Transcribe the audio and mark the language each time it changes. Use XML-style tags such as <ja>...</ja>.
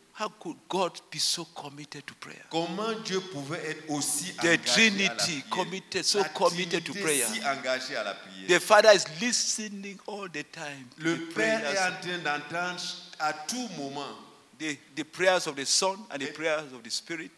<en>How could God be so committed to prayer?</en> <fr>Comment Dieu pouvait être aussi engagé à la</fr> <en>prière? The Trinity committed, so committed to prayer.</en> <fr>Si engagé à la prière.</fr> <en>The Father is listening all the time.</en> <fr>Le Père est en train d'entendre à tout moment.</fr> <en>The prayers of the Son and the prayers of the Spirit</en>